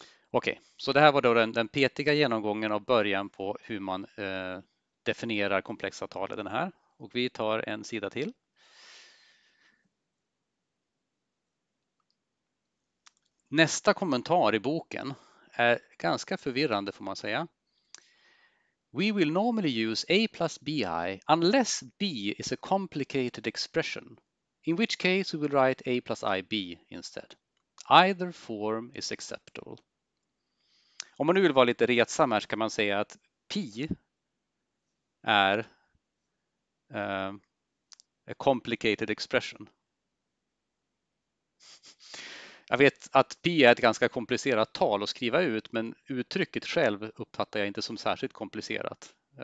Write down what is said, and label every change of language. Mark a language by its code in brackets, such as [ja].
[sv] Okej, så det här var då den petiga genomgången av början på hur man definierar komplexa tal i den här. Och vi tar en sida till. Nästa kommentar i boken är ganska förvirrande får man säga. [en] We will normally use a plus bi unless b is a complicated expression, in which case we will write a plus ib instead. Either form is acceptable. [sv] Om man nu vill vara lite retsam här så kan man säga att pi är [en] a complicated expression. [sv] Jag vet att pi är ett ganska komplicerat tal att skriva ut, men uttrycket själv uppfattar jag inte som särskilt komplicerat.